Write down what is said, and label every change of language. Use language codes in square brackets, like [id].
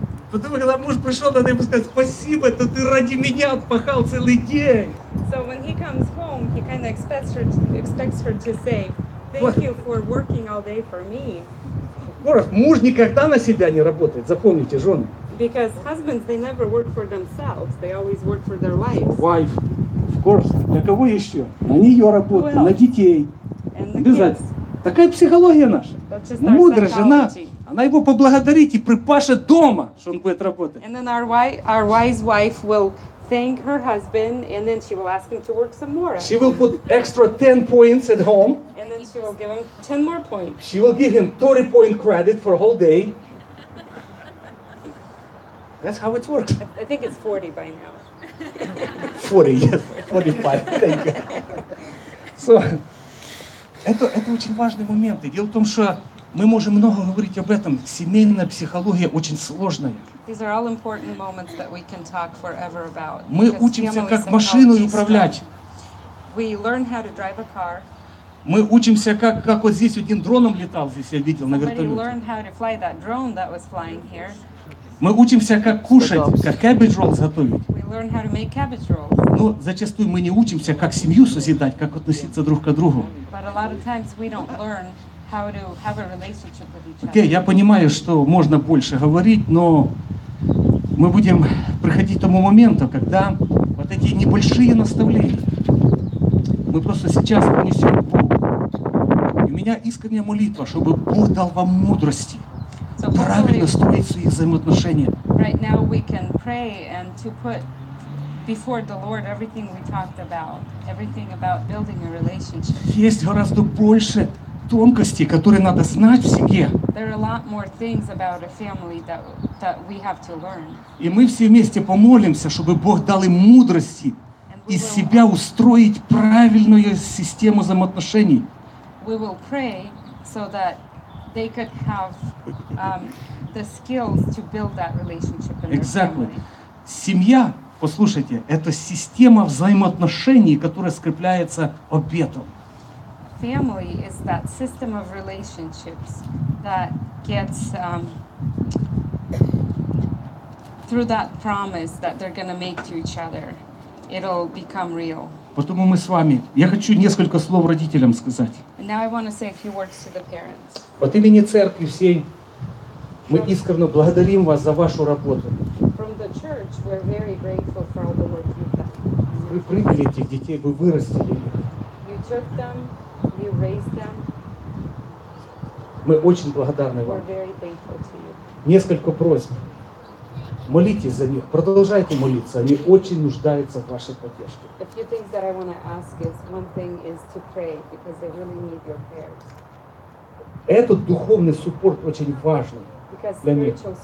[ru] Потом, когда муж пришел, надо ему сказать, спасибо, это ты ради меня отпахал целый день. [en] So when he comes home, he kind of expects her to say, thank what? You for working all day for me. [ru] Муж никогда на себя не работает, запомните, жены. [en] Because husbands, they never work for themselves, they always work for their wives. Wife, of course. [ru] Для кого еще? На нее работу, well, на детей. Обязательно. Kids. Такая психология наша. Мудрая жена, она его поблагодарит и припашет дома, что он будет работать. [en] And then our wise wife will thank her husband, and then she will ask him to work some more. She will put extra 10 points at home. And then she will give him 10 more points. She will give him 30 point credit for a whole day. That's how it works. I think it's 40 by now. 40, yes. 45, thank you. [ru] So, это очень важный момент. И дело в том, что мы можем много говорить об этом. Семейная психология очень сложная. [en] These are all important moments that we can talk forever about. [ru] Мы учимся, как машиной управлять. [en] We learn how to drive a car. [ru] Мы учимся, как вот здесь один дроном летал, здесь я видел, на вертолете. [en] Somebody learned how to fly that drone that was flying here. [ru] Мы учимся, как кушать, как cabbage rolls готовить. [en] We learn how to make cabbage rolls. [ru] Но зачастую мы не учимся, как семью созидать, как относиться друг к другу. [en] But a lot of times we don't learn how to have a relationship with each other. [ru] Окей, я понимаю, что можно больше говорить, но мы будем приходить к тому моменту, когда вот эти небольшие наставления мы просто сейчас принесем к Богу. И у меня искренняя молитва, чтобы Бог дал вам мудрости. So правильно строить свои взаимоотношения. [en] Right now we can pray and to put before the Lord everything we talked about, everything about building a relationship. [ru] Есть гораздо больше тонкостей, которые надо знать в семье. [en] There are a lot more things about a family that we have to learn. [ru] И мы все вместе помолимся, чтобы Бог дал им мудрости из себя устроить правильную систему взаимоотношений. [en] We will pray so that they could have the skills to build that relationship in exactly. Their family. [ru] Семья, послушайте, это система взаимоотношений, которая скрепляется обетом. [en] Family is that system of relationships that gets through that promise that they're going to make to each other. It'll become real. [ru] Потому мы с вами. Я хочу несколько слов родителям сказать. [en] And now I want to say a few words to the parents. [ru] От имени церкви всей мы искренне благодарим вас за вашу работу. [en] From the church, we're very grateful for all the work you've done. [ru] Вы привели этих детей, вы вырастили. [en] You took them, you raised them. [ru] Мы очень благодарны вам. [en] We're very thankful to you. [ru] Несколько просьб. Молитесь за них, продолжайте молиться, они очень нуждаются в вашей поддержке. [en] A few things that I want to ask is, one thing is to pray, because they really need your prayers. [ru] Этот духовный суппорт очень важен для них.